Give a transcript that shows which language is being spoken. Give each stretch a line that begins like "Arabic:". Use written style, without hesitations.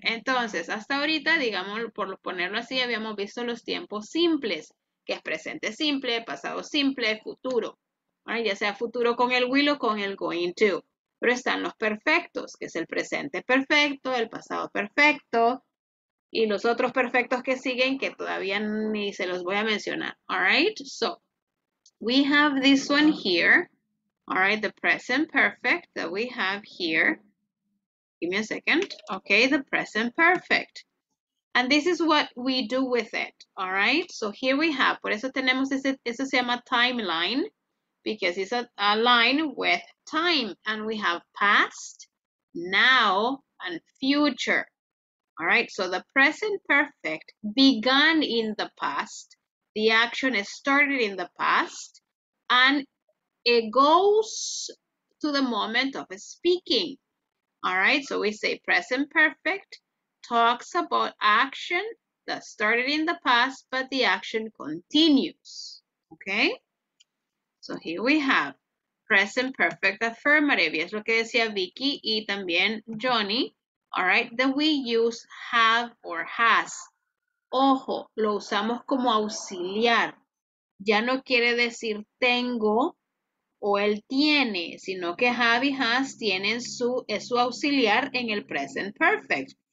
Spanish: Entonces, hasta ahorita, digamos, por ponerlo así, habíamos visto los tiempos simples, que es presente simple, pasado simple, futuro.
English: Right,
Spanish: ya sea futuro con el will o con el going to. Pero están los perfectos, que es el presente perfecto, el pasado perfecto, y los otros perfectos que siguen que todavía ni se los voy a mencionar.
English: All right, so we have this one here. All right, the present perfect that we have here. Give me a second. Okay, the present perfect. And this is what we do with it. All right, so here we have,
Spanish: por eso tenemos ese, eso se llama
English: timeline, because it's a line with time. And we have past, now, and future. All right, so the present perfect began in the past. The action is started in the past. And it goes to the moment of speaking. All right, so we say present perfect talks about action that started in the past, but the action continues. Okay, so here we have present perfect affirmative.
Spanish: Y es lo que decía Vicky y también Johnny.
English: All right, then we use have or has.
Spanish: Ojo, lo usamos como auxiliar. Ya no quiere decir tengo o él tiene, sino que have y has tienen su, es su auxiliar en el present perfect.